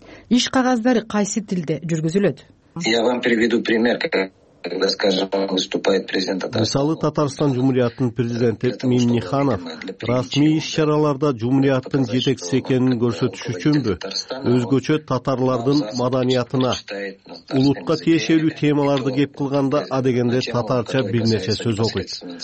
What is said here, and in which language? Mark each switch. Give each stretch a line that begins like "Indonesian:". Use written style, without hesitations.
Kyrgyz: Иш кагаздар кайсы тилде жүргүзүлөт?
Russian: Я вам приведу пример, когда, скажем, выступает президент Татарстана.
Kyrgyz: Мисалы Татарстан Жумуриятынын президенти Миниханов расмий иш-чараларда Жумуриятынын жетекчиси экенин көрсөтүш үчүнбү? Өзгөчө татарлардын маданиятына, улутка тиешелүү темаларды кеп кылганда адегенде татарча бир нече сөз окуйт.